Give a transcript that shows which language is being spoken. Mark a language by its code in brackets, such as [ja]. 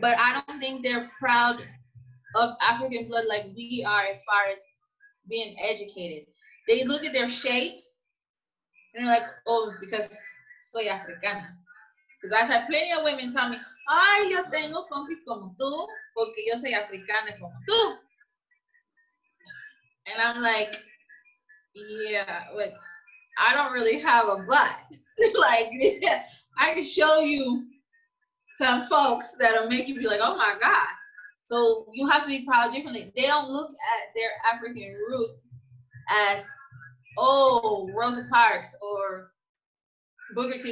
[en] But I don't think they're proud of African blood like we are as far as being educated. They look at their shapes. And they're like, oh, because [es] soy africana. [en] Because I've had plenty of women tell me, [es] Ay, yo tengo compis como tú, porque yo soy africana como tú. [en] And I'm like, yeah, like, I don't really have a butt. Like, yeah, I can show you some folks that'll make you be like, oh my God. So you have to be proud differently. They don't look at their African roots as, oh, Rosa Parks or Booker T.